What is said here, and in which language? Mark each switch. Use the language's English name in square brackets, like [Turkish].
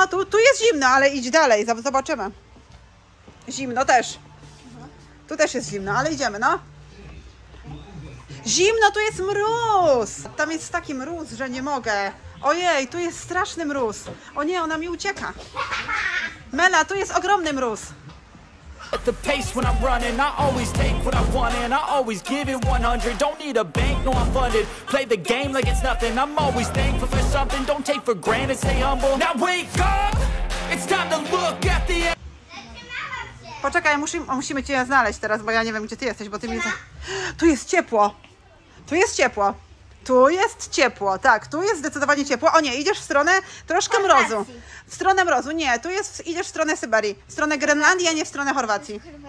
[Polish] Tu jest zimno, ale idź dalej. Zobaczymy. Zimno też. Tu też jest zimno, ale idziemy, no. Zimno, tu jest mróz. Tam jest taki mróz, że nie mogę. Ojej, tu jest straszny mróz. O nie, ona mi ucieka. Mela, tu jest ogromny mróz. [English] At the pace when I'm running, I always take what I want and I always give it 100. Don't need a bank, no I'm funded. Play the game like it's nothing. I'm always thankful for something. Don't take for granted, stay humble. Now wake up! It's time to look at the end. [Polish] Poczekaj, musimy cię znaleźć teraz, bo ja nie wiem gdzie ty jesteś, bo ty mi za... Tu jest ciepło. Tu jest ciepło. Tu jest ciepło, tak, tu jest zdecydowanie ciepło. O nie, idziesz w stronę troszkę mrozu. W stronę mrozu, nie, tu jest, idziesz w stronę Syberii. W stronę Grenlandii, a nie w stronę Chorwacji.